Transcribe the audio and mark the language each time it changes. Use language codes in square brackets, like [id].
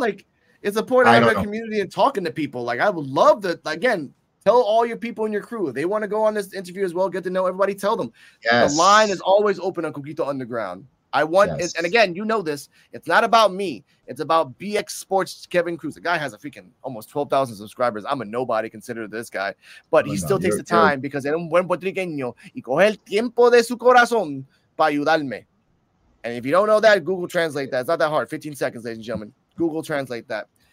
[en] Like, it's a point of our community and talking to people. Like, I would love to, again, tell all your people in your crew. If they want to go on this interview as well, get to know everybody, tell them. Yes. The line is always open on Coquito Underground. And again, you know this. It's not about me. It's about BX Sports Kevin Cruz. The guy has a freaking almost 12,000 subscribers. I'm a nobody considered this guy. But he still takes the time because [es] era un buen puertorriqueño y coge el tiempo de su corazón para ayudarme. [en] And if you don't know that, Google Translate that. It's not that hard. 15 seconds, ladies and gentlemen. Google Translate that.